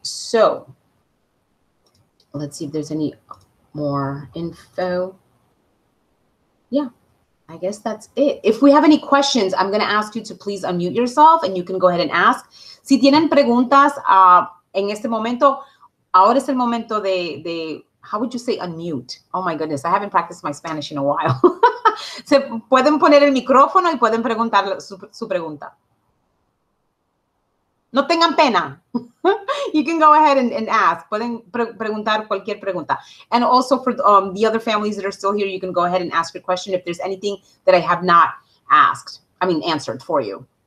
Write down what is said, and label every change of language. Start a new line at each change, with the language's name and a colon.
English: So let's see if there's any more info. Yeah. I guess that's it. If we have any questions, I'm going to ask you to please unmute yourself and you can go ahead and ask.
Spanish: Si tienen preguntas en este momento, ahora es el momento de,
English: how would you say unmute? Oh my goodness, I haven't practiced my Spanish in a while.
Spanish: Se pueden poner el micrófono y pueden preguntar su pregunta. No tengan pena.
English: You can go ahead and ask.
Spanish: Pueden preguntar cualquier pregunta.
English: And also for the other families that are still here, you can go ahead and ask your question if there's anything that I have not answered for you.